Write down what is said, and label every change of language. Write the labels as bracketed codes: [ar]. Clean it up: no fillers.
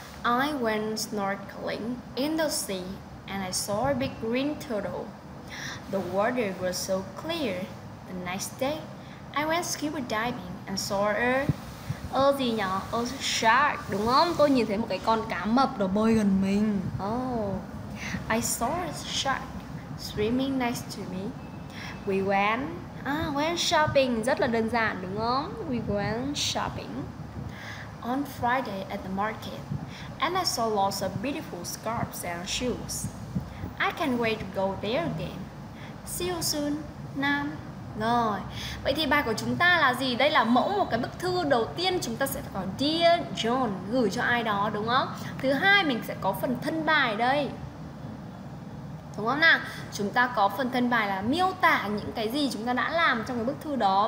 [en] I went snorkeling in the sea and I saw a big green turtle. The water was so clear. The next day, I went scuba diving and saw a... [vi] gì nhỉ? Shark, đúng không? Tôi nhìn thấy một cái con cá mập nó bơi gần mình. [en] Oh, I saw a shark swimming next to me. We went, went shopping, [vi] rất là đơn giản, đúng không? [en] We went shopping on Friday at the market, and I saw lots of beautiful scarves and shoes. I can't wait to go there again. See you soon, Nam. [vi] Rồi, vậy thì bài của chúng ta là gì? Đây là mẫu một cái bức thư đầu tiên. Chúng ta sẽ có Dear John gửi cho ai đó, đúng không? Thứ hai, mình sẽ có phần thân bài đây, đúng không nào? Chúng ta có phần thân bài là miêu tả những cái gì chúng ta đã làm trong cái bức thư đó.